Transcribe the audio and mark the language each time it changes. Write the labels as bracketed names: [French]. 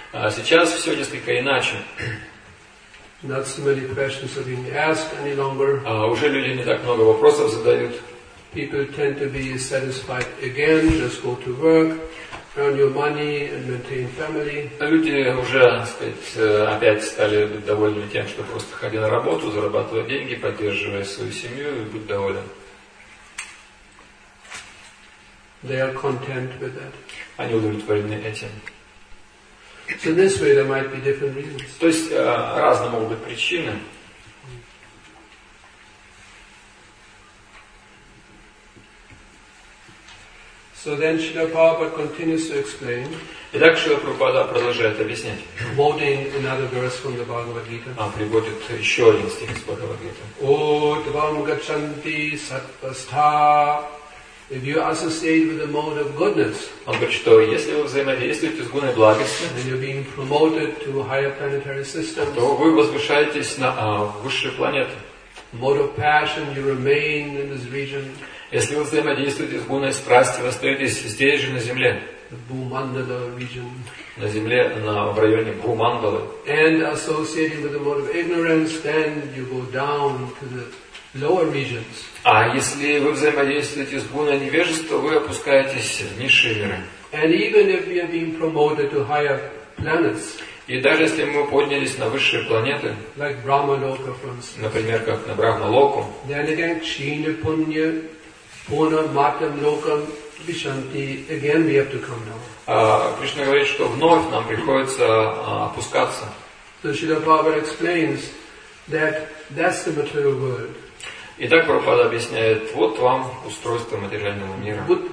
[Russian] Сейчас все несколько иначе. [English] Not so many questions are being asked any longer. [Russian] Уже люди не так много вопросов задают. [English] People tend to be satisfied again. Just go to work, earn your money, and maintain family. [Russian] Люди уже, так сказать, опять стали быть довольны тем, что просто ходи на работу, зарабатывай деньги, поддерживай свою семью и будь доволен. [English] They are content with that. [Russian] Они удовлетворены этим. [English] So in this way, there might be different reasons. [Russian] То есть разные могут быть причины. [English] So then, Srila Prabhupada continues to explain. [Russian] Итак, Шрила Прабхупада продолжает объяснять. [English] Quoting another verse from the Bhagavad Gita. [Russian] А приводит еще один стих из Бхагавад Гиты. [Sanskrit] О, твам гачанти саттваста. [English] If you associate with the mode of goodness, [Russian] он говорит, что если вы взаимодействуете с гуной благости, [English] then you're being promoted to higher planetary systems, [Russian] то вы возвышаетесь на высшие планеты. [English] Mode of passion, you remain in this region. [Russian] Если вы взаимодействуете с гуной страсти, вы остаетесь здесь же на Земле. [English] The Бхумандала region. [Russian] На Земле, в районе Бхумандалы. [English] And associating with the mode of ignorance, then you go down to the lower regions. [Russian] А если вы взаимодействуете с гуной невежества, вы опускаетесь в низшие миры. [English] And even if we are being promoted to higher planets, [Russian] и даже если мы поднялись на высшие планеты, [English] like Brahmaloka, for instance, [Russian] например, как на Брахмалоку, [English] then again, [Sanskrit] Chini Punya, Puna Matam Lokam, Vishanti, [English] again we have to come down. [Russian] Кришна говорит, что вновь нам приходится опускаться. [English] So Srila Prabhupada explains that that's the material world. [Russian] Итак, Прабхупада объясняет, вот вам устройство материального мира.